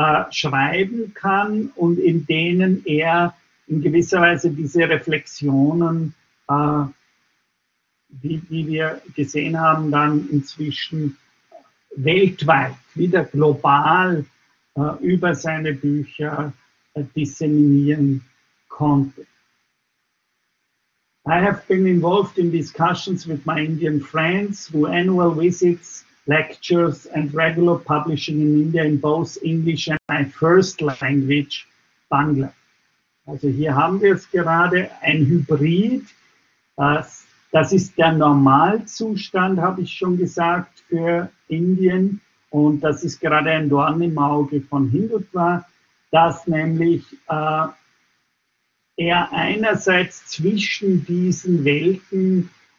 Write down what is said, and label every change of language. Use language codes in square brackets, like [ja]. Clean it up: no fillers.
[de] schreiben kann und in denen er in gewisser Weise diese Reflexionen, wie wir gesehen haben, dann inzwischen weltweit, wieder global über seine Bücher disseminieren konnte. [en] I have been involved in discussions with my Indian friends through annual visits, lectures and regular publishing in India in both English and my first language, Bangla. [de] Also hier haben wir es gerade, ein Hybrid. Das ist der Normalzustand, habe ich schon gesagt, für Indien. Und das ist gerade ein Dorn im Auge von Hindutva, dass nämlich er einerseits zwischen diesen Welten